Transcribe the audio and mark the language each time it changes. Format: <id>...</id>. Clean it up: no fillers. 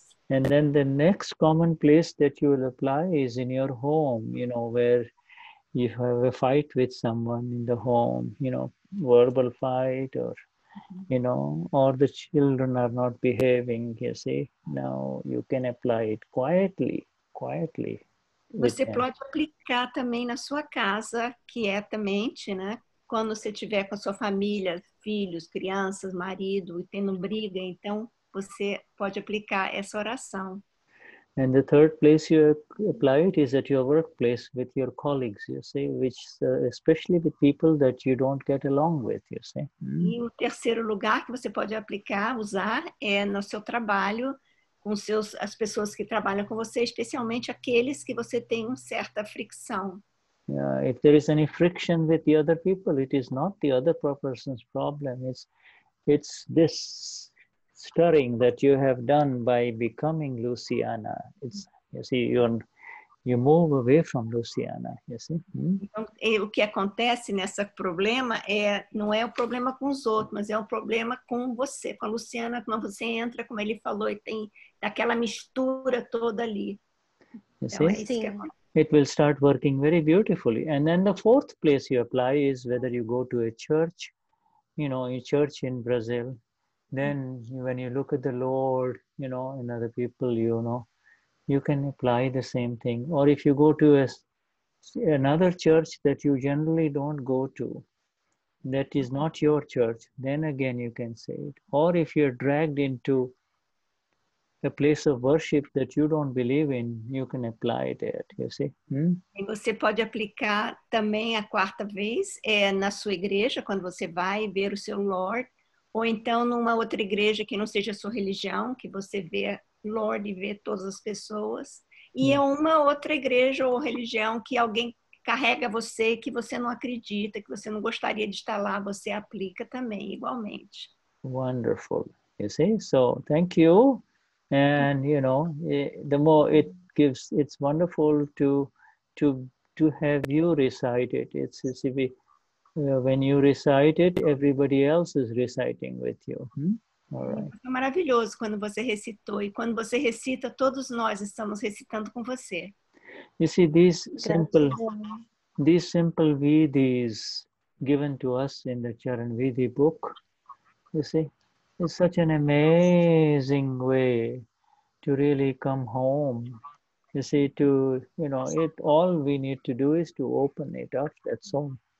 <en>And then the next common place that you will apply is in your home, you know, where you have a fight with someone in the home, you know, verbal fight or... You know, or the children are not behaving, you see. Now you can apply it quietly.</en> <pt>Você pode aplicar também na sua casa, quietamente, né? Quando você tiver com a sua família, filhos, crianças, marido, e tendo briga, então você pode aplicar essa oração.</pt> <en>And the third place you apply it is at your workplace with your colleagues, you see, which especially with people that you don't get along with, you see.</en> <pt>E o terceiro lugar que você pode aplicar, usar, é no seu trabalho, com as pessoas que trabalham com você, especialmente aqueles que você tem uma certa fricção.</pt> <en>Yeah, if there is any friction with the other people, it is not the other person's problem, it's this stirring that you have done by becoming Luciana. It's, you see, you move away from Luciana, you see.</en> <pt>Então, o que acontece nesse problema é, não é o problema com os outros, mas é o problema com você, com a Luciana, quando você entra, como ele falou, e tem aquela mistura toda ali.</pt> <en>You see? It will start working very beautifully. And then the fourth place you apply is whether you go to a church, you know, a church in Brazil. Then when you look at the Lord, you know, and other people, you know, you can apply the same thing. Or if you go to another church that you generally don't go to, that is not your church, then again you can say it. Or if you're dragged into a place of worship that you don't believe in, you can apply it there, you see.</en> <pt>E você pode aplicar também a quarta vez na sua igreja, quando você vai ver o seu Lord. Ou então numa outra igreja que não seja a sua religião, que você vê Lord e vê todas as pessoas. E é uma outra igreja ou religião que alguém carrega você, que você não acredita, que você não gostaria de estar lá, você aplica também, igualmente.</pt> <en>Wonderful. You see? So, thank you. And, you know, the more it gives, it's wonderful to have you recite it. It's a bit... When you recite it, everybody else is reciting with you. All right.</en> <pt>É maravilhoso quando você recitou. E quando você recita, todos nós estamos recitando com você.</pt> <en>You see, these simple vidhis given to us in the Charanvidhi book, you see, is such an amazing way to really come home. You see, all we need to do is to open it up, that's all.</en>